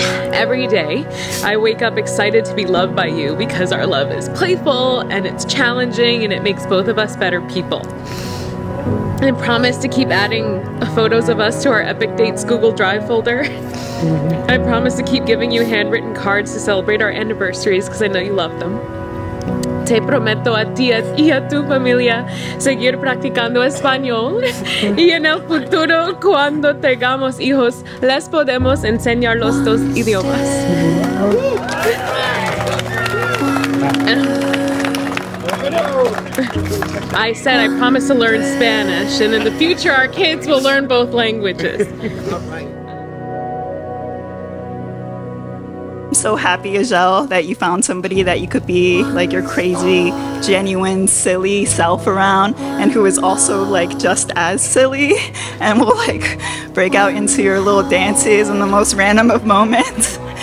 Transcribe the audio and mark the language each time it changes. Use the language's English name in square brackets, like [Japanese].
[English] Every day, I wake up excited to be loved by you because our love is playful and it's challenging and it makes both of us better people. I promise to keep adding photos of us to our Epic Dates Google Drive folder. Mm-hmm. I promise to keep giving you handwritten cards to celebrate our anniversaries because I know you love them. [Spanish] Te prometo a ti y a tu familia seguir practicando español. Y en el futuro, cuando tengamos hijos, les podemos enseñar los dos idiomas. [English] I said I promise to learn Spanish, and in the future our kids will learn both languages. I'm so happy, Ajel, that you found somebody that you could be like your crazy, genuine, silly self around, and who is also like just as silly and will like break out into your little dances in the most random of moments.